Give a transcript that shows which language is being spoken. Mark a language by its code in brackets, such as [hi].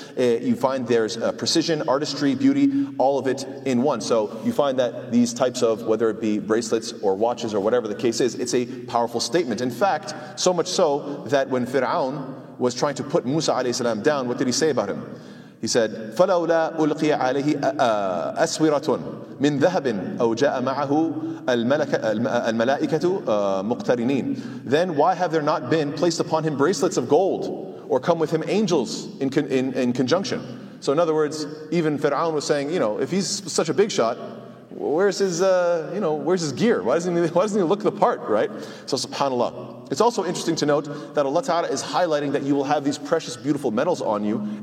[en] You find there's precision, artistry, beauty, all of it in one. So you find that these types of, whether it be bracelets or watches or whatever the case is, it's a powerful statement. In fact, so much so that when Fir'aun was trying to put Musa alayhi salam down, what did he say about him? He said, [ar] فَلَوْلَا أُلْقِيَ عَلَيْهِ أَسْوِرَةٌ مِّن ذَهَبٍ أَوْ جَاءَ مَعَهُ الْمَلَائِكَةُ مُقْتَرِنِينَ. [en] Then why have there not been placed upon him bracelets of gold or come with him angels in conjunction? So in other words, even Fir'aun was saying, you know, if he's such a big shot, where's his, where's his gear? Why doesn't he look the part, right? So subhanAllah. It's also interesting to note that Allah Ta'ala is highlighting that you will have these precious, beautiful metals on you.